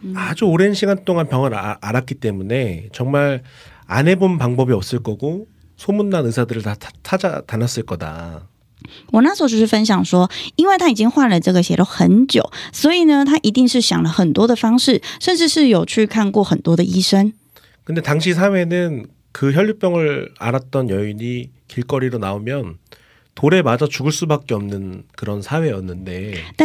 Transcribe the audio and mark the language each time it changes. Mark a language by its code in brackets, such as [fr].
[ko] 아주 오랜 시간 동안 병을 앓았기 때문에 정말 안 해본 방법이 없을 거고 소문난 의사들을 다 찾아다녔을 거다. [zh] 我那时候就是分享说，因为他已经患了这个血瘤很久，所以呢，他一定是想了很多的方式，甚至是有去看过很多的医生。 [ko] 근데 당시 사회는 그 혈류병을 앓았던 여인이 길거리로 나오면 돌에 맞아 죽을 수밖에 없는 그런 사회였는데.